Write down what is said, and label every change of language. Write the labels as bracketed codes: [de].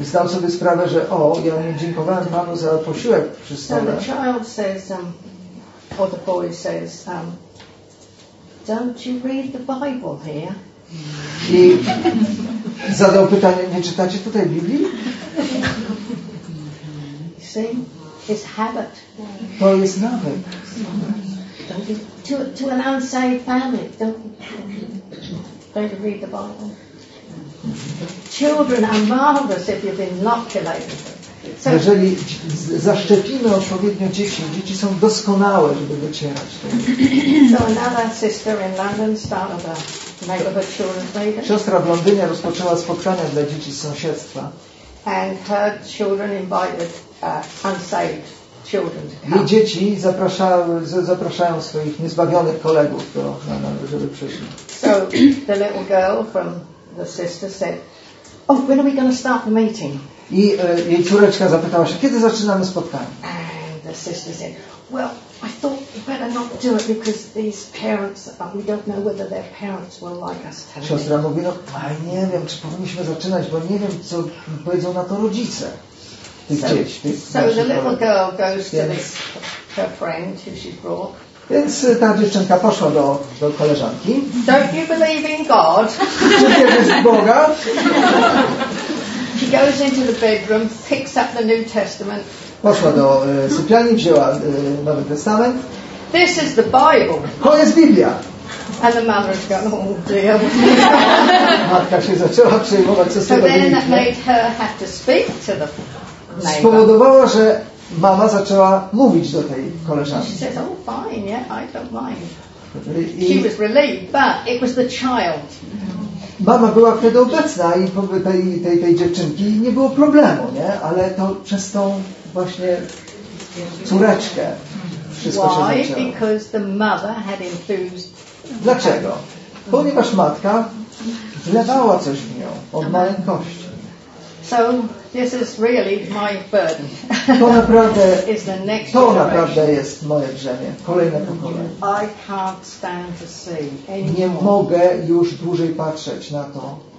[pl] I zdał sobie sprawę, że o, ja nie dziękowałem Panu za posiłek przy stole. [en] The child says, or the boy says, don't you read the Bible here? [pl] I zadał pytanie, nie czytacie tutaj Biblii? [en] You see, it's habit. [pl] To jest nawyk. [en] To an unsaved family, don't you read the Bible? Children are marvelous if you've been inoculated. [pl] So, jeżeli zaszczepimy odpowiednio dzieci, dzieci są doskonałe, żeby wycierać. [en] So another sister in London started a neighborhood children's meeting. [pl] Siostra w Londynie rozpoczęła spotkania dla dzieci z sąsiedztwa. [en] And her children invited unsaved children to come. [pl] I dzieci zapraszają swoich niezbawionych kolegów do żeby przyszli. [en] So the little girl from the sister said, oh, when are we going to start the meeting? [pl] I jej córeczka zapytała się, kiedy zaczynamy spotkanie? [en] And the sister said, well, I thought we better not do it because these parents, we don't know whether their parents will like us telling. [pl] Siostra mówi, no, a nie wiem, czy powinniśmy zaczynać, bo nie wiem, co powiedzą na to rodzice. [en] The little girl goes to this her friend who she brought. [pl] Więc ta dziewczynka poszła do koleżanki. [en] Don't you believe in God? [pl] Czy wierzysz w Boga? [en] She goes into the bedroom, picks up the New Testament. [pl] Poszła do sypialni, wzięła Nowy Testament. [en] This is the Bible. [pl] To jest Biblia. [en] And the mother is going, oh dear. [pl] Matka się zaczęła przejmować, co z tego Biblii. [en] So then that made her have to speak to the neighbor. [pl] Spowodowało, że mama zaczęła mówić do tej koleżanki. [en] She says, oh, fine, yeah, I don't mind. She was relieved, but it was the child. [pl] Mama była wtedy obecna i tej dziewczynki nie było problemu, nie? Ale to przez tą właśnie córeczkę wszystko [en] Why? [pl] Się zaczęło. [en] Because the mother had infused. [pl] Dlaczego? Ponieważ matka wlewała coś w nią od maleńkości. [en] So this is really my burden. [pl] To naprawdę jest moje brzemię. Kolejne pokolenie. [en] I can't stand to see. [pl] Nie mogę już dłużej patrzeć na to.